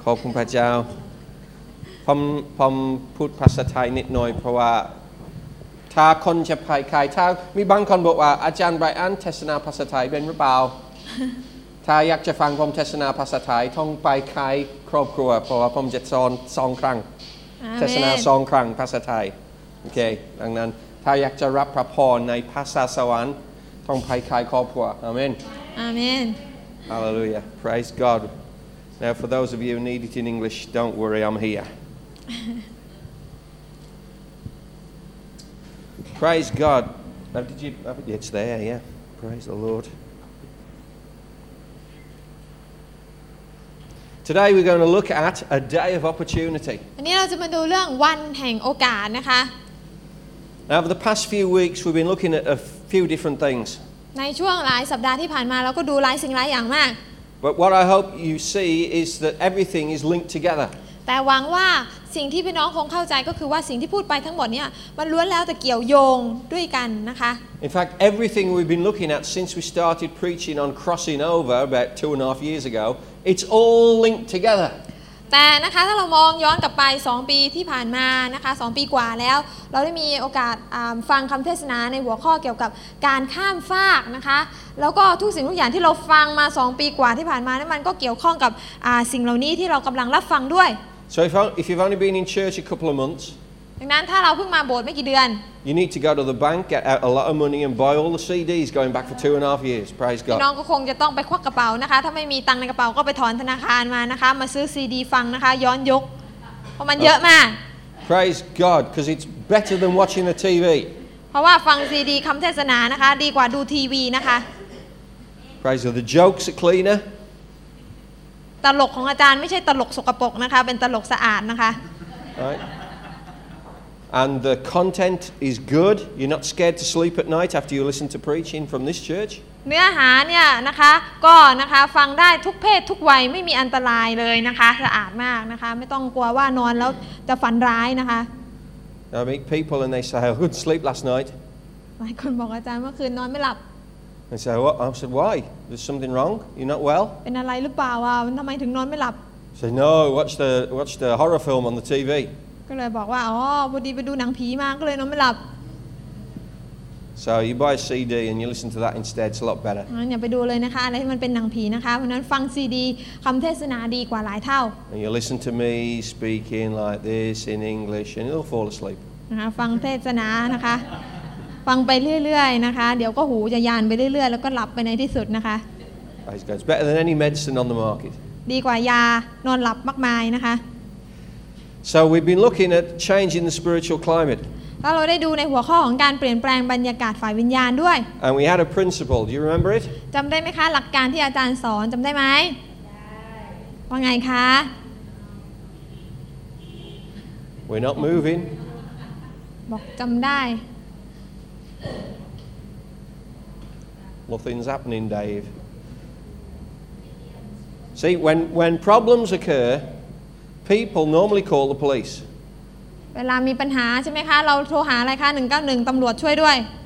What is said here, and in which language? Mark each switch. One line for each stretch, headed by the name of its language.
Thai: ขอบคุณพระเจ้า ผมพูดภาษาไทยนิดหน่อยเพราะว่าถ้าคนจะภายใครถ้ามีบางคนบอกว่าอาจารย์ไบรอันเทศนาภาษาไทยเป็นหรือเปล่า ถ้าอยากจะฟังผมเทศนาภาษาไทยต้องไปใครครอบครัวเพราะว่าผมจะสอน2ครั้งเทศนา2ครั้งภาษาไทยโอเคดังนั้นถ้าอยากจะรับพระพรในภาษาสวรรค์ต้องภายใครครอบครัวอาเมน อาเมน
English: ฮาเลลูยา praise God now for those of you who need it in English don't worry I'm here praise God now did you have, it's there yeah praise the Lord today we're going to look at a day of opportunity
Thai: วันนี้เราจะมาดูเรื่องวันแห่งโอกาสนะคะ
English: now for the past few weeks we've been looking at a few different things
Thai: ในช่วงหลายสัปดาห์ที่ผ่านมาเราก็ดูหลายสิ่งหลายอย่างมาก
English: But what I hope you see is that everything is linked together
Thai: แต่หวังว่าสิ่งที่พี่น้องคงเข้าใจก็คือว่าสิ่งที่พูดไปทั้งหมดเนี่ยมันล้วนแล้วแต่เกี่ยวโยงด้วยกันนะคะ
English: In fact everything we've been looking at since we started preaching on crossing over about 2.5 years ago it's all linked together
Thai: แต่นะคะถ้าเรามองย้อนกลับไป2ปีที่ผ่านมานะคะ2ปีกว่าแล้วเราได้มีโอกาสฟังคำเทศนาในหัวข้อเกี่ยวกับการข้ามฟากนะคะแล้วก็ทุกสิ่งทุกอย่างที่เราฟังมา2ปีกว่าที่ผ่านมานั้นมันก็เกี่ยวข้องกับสิ่งเหล่านี้ที่เรากำลังรับฟังด้วย
English: So if you've only been in church a couple of months
Thai: ดังนั้นถ้าเราเพิ่งมาโบสถ์ไม่กี่เดือน
English: You need to go to the bank get out a lot of money and buy all the CDs going back for 2.5 years praise God
Thai: น้องก็คงจะต้องไปควักกระเป๋านะคะถ้าไม่มีตังค์ในกระเป๋าก็ไปถอนธนาคารมานะคะมาซื้อ CD ฟังนะคะย้อนยุคเพราะมันเยอะมาก
English: Praise God because it's better than watching the TV.
Thai: เพราะว่าฟังซีดีคำเทศนานะคะดีกว่าดูทีวีนะคะ
English: Praise God, the jokes are cleaner.
Thai: ตลกของอาจารย์ไม่ใช่ตลกสกปรกนะคะเป็นตลกสะอาดนะคะ
English: Right. And the content is good. You're not scared to sleep at night after you listen to preaching from this church.
Thai: เนื้อหาเนี่ยนะคะก็นะคะฟังได้ทุกเพศทุกวัยไม่มีอันตรายเลยนะคะสะอาดมากนะคะไม่ต้องกลัวว่านอนแล้วจะฝันร้ายนะคะ
English: I meet people and they say I couldn't sleep last night
Thai: หลายคนบอกอาจารย์เมื่อคืนนอนไม่หลับ
English: I say what I said why there's something wrong you're not well
Thai: เป็นอะไรหรือเปล่าอ่ะทำไมถึงนอนไม่หลับ
English: say no watch the horror film on the TV
Thai: ก็เลยบอกว่าอ๋อพอดีไปดูหนังผีมาก็เลยนอนไม่หลับ
English: So you buy a CD and you listen to that instead. It's a lot better.
Thai: อย่าไปดูเลยนะคะอะไรที่มันเป็นหนังผีนะคะเพราะนั้นฟังซีดีคำเทศนาดีกว่าหลายเท่า
English: And you listen to me speaking like this in English and you'll fall asleep.
Thai: นะคะฟังเทศนานะคะฟังไปเรื่อยๆนะคะเดี๋ยวก็หูจะยานไปเรื่อยๆแล้วก็หลับไปในที่สุดนะคะ
English: It's better than any medicine on the market.
Thai: ดีกว่ายานอนหลับมากมายนะคะ
English: So we've been looking at changing the spiritual climate.
Thai: เราได้ดูในหัวข้อของการเปลี่ยนแปลงบรรยากาศฝ่ายวิญญาณด้วย
English: And we had a principle. Do you remember it?
Thai: จำได้ไหมคะหลักการที่อาจารย์สอนจำได้ไหมได้ว่าไงคะ
English: We're not moving.
Thai: บอกจำได้
English: Nothing's happening, Dave. See, when problems occur, people normally call the police.
Thai: เวลามีปัญหาใช่ไหมคะเราโทรหาอะไรคะ191ตำรวจช่วยด้วย